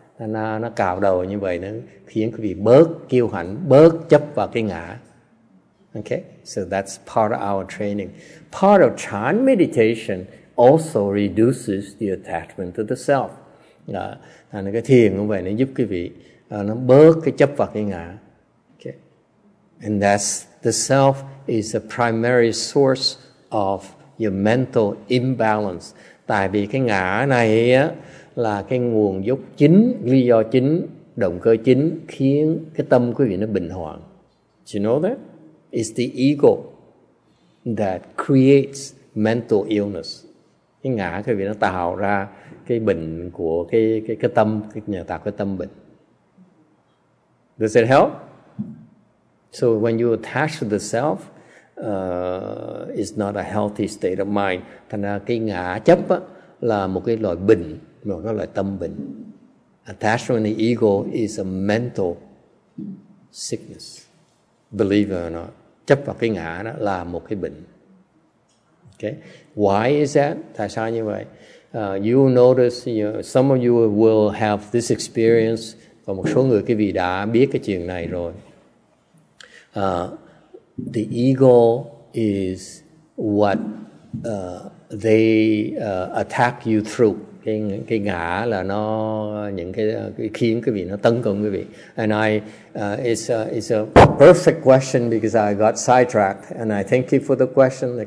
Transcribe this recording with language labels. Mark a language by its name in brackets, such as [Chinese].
[Vietnamese] Nó cạo đầu như vậy nó khiến quý vị bớt kiêu hãnh, bớt chấp vào cái ngã. [English] Okay? So that's part of our training. Part of Chan meditation also reduces the attachment to the self. [Vietnamese] Đó. Thành cái thiền cũng vậy, nó giúp quý vị nó bớt cái chấp vào cái ngã. [English] Okay. And that's the self is the primary source of your mental imbalance. [Vietnamese] Tại vì cái ngã này á, là cái nguồn gốc chính, lý do chính, động cơ chính khiến cái tâm quý vị nó bình hoạn. [English] Do you know that? It's the ego that creates mental illness. [Vietnamese] Cái ngã quý vị nó tạo ra cái bệnh của cái tâm, cái nhà tạo cái tâm bệnh. [English] Does it help? So when you attach to the self, it's not a healthy state of mind. [Vietnamese] Thành ra cái ngã chấp á, là một cái loại bệnh, một cái loại tâm bệnh. [English] Attachment to the ego is a mental sickness. Believe it or not. [Vietnamese] Chấp vào cái ngã đó là một cái bệnh. [English] Okay? Why is that? [Vietnamese] Tại sao như vậy? [English] You will notice, you know, some of you will have this experience, [Vietnamese] và một số người quý vị đã biết cái chuyện này rồi. [English] The ego is what they attack you through. [Vietnamese] Cái ngã là nó những cái khiến quý vị nó tấn công quý vị. [English] And I it's a perfect question because I got sidetracked, and I thank you for the question.